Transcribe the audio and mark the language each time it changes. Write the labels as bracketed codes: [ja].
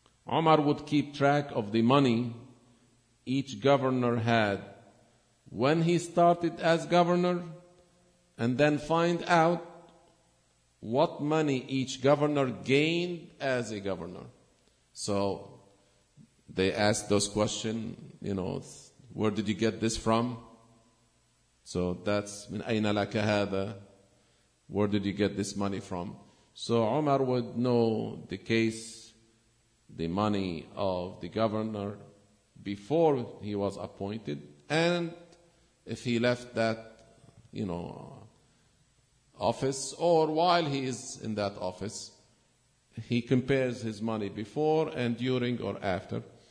[en] Umar would keep track of the money each governor had when he started as governor and then find out what money each governor gained as a governor. So they asked those questions, you know, where did you get this from? So that's [ar] من أين لك هذا? [en] Where did you get this money from? So Umar would know the case, the money of the governor before he was appointed, and if he left that, you know, office, or while he is in that office, he compares his money before and during or after.